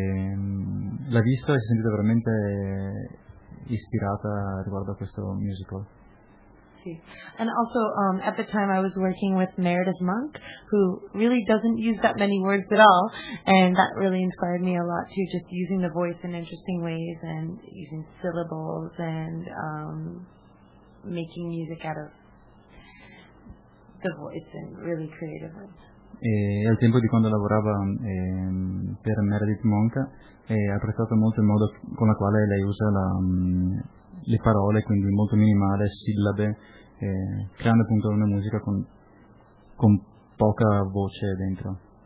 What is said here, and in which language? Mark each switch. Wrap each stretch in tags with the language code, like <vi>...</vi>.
<it>L'ha visto e si è sentita veramente ispirata riguardo a questo musical.</it> <en>And also, at the time, I was working with Meredith Monk, who really doesn't use that many words at all, and that really inspired me a lot, too, just using the voice in interesting ways and using syllables and making music out of the voice in really creative ways.</en> <it>E al tempo di quando lavorava per Meredith Monk, ha apprezzato molto il modo con la quale lei usa le parole, quindi molto minimale, sillabe, creando appunto una musica con poca voce dentro.</it>